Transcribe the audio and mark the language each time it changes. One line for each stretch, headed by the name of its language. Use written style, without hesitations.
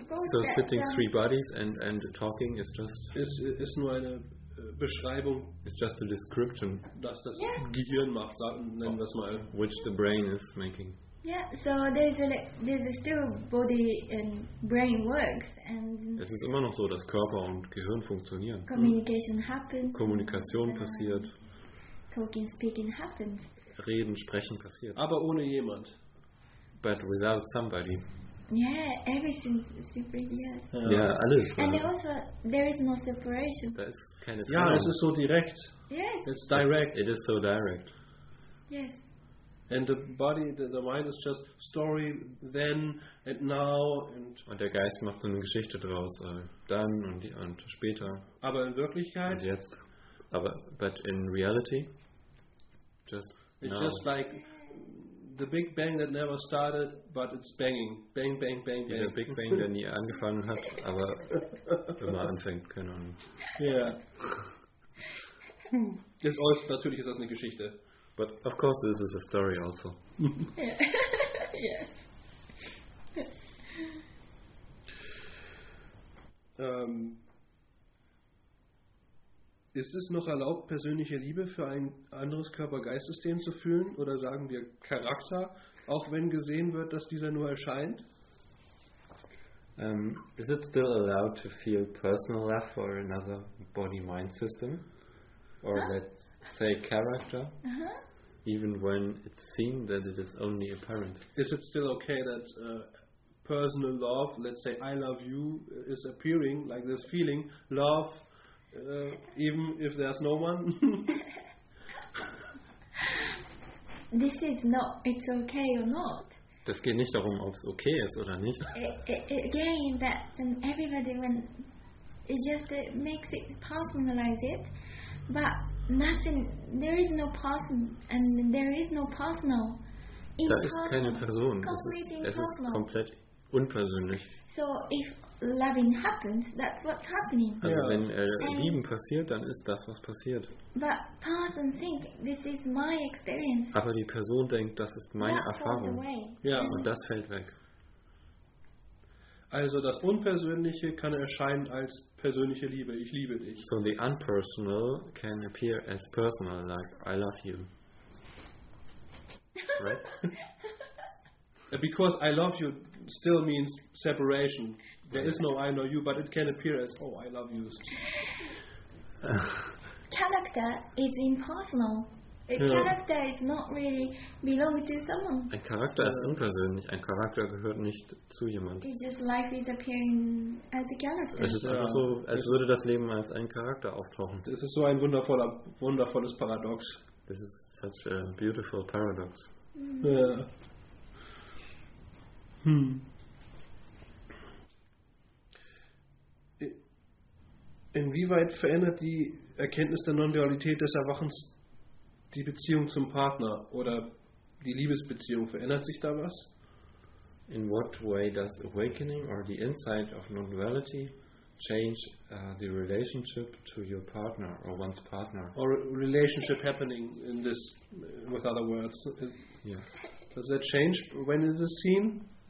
English: So sitting three bodies and talking is just.
German: Ist nur eine Beschreibung.
English: It's just a description.
German: Dass das Gehirn macht, nennen wir es mal.
English: Which the brain is making. Yeah, so there's still body and brain works and.
German: Es ist immer noch so, dass Körper und Gehirn funktionieren.
English: Communication happens.
German: Kommunikation passiert.
English: Talking, speaking happens.
German: Reden, sprechen passiert. Aber ohne jemand.
English: But without somebody. Yeah, everything's separate. Yes.
German: Ja, alles.
English: And also, there is no separation.
German: Da ist keine Trennung. Ja, es ist so direkt.
English: Yes. It's direct. It is so direct. Yes. And the body, the mind is just story, then and now.
German: Und der Geist macht so eine Geschichte draus, dann und später. Aber in Wirklichkeit. Und jetzt. Aber
English: but in reality, just it's now. It's just like the Big Bang that never started, but it's banging. Bang, bang, bang, bang.
German: Wie der Big Bang, der nie angefangen hat, aber immer anfängt, keine Ahnung.
English: Yeah.
German: Das ist alles, natürlich ist das eine Geschichte.
English: But of course this is a story also. Yes.
German: Ist es noch erlaubt, persönliche Liebe für ein anderes Körper-Geist-System zu fühlen? Oder sagen wir Charakter, auch wenn gesehen wird, dass dieser nur erscheint?
English: Is it still allowed to feel personal love for another body-mind system? Or let's say character? Uh-huh. Even when it's seen that it is only apparent. Is it still okay that personal love, let's say I love you, is appearing, like this feeling, love, even if there's no one? This is not, it's okay or not.
German: Das geht nicht darum, ob es okay ist oder nicht.
English: Again, that's an everybody when it just makes it personalize it, but nothing, there is no person and there is no personal.
German: Da ist keine Person. Es ist komplett unpersönlich.
English: So if loving happens, that's what's happening.
German: Also wenn Lieben passiert, dann ist das, was passiert.
English: But person think this is my experience.
German: Aber die Person denkt, das ist meine Erfahrung. Ja. Und das fällt weg. Also das Unpersönliche kann erscheinen als persönliche Liebe. Ich liebe dich.
English: So the unpersonal can appear as personal, like I love you. Right? Because I love you still means separation. There is no I know you, but it can appear as, oh, I love you. Character is impersonal. Yeah. Character is not really belong to someone.
German: Ein Charakter ist unpersönlich. Ein Charakter gehört nicht zu jemandem.
English: It's just life is appearing as a character.
German: Es ist einfach so, als würde das Leben als ein Charakter auftauchen. Das ist so ein wundervolles Paradox.
English: This is such a beautiful paradox. Yeah. Hm.
German: Inwieweit verändert die Erkenntnis der Non-Dualität des Erwachens die Beziehung zum Partner oder die Liebesbeziehung? Verändert sich da was?
English: In what way does awakening or the insight of non-duality change the relationship to your partner or one's partner? Or relationship happening in this, with other words. Yeah. Does that change when it is seen?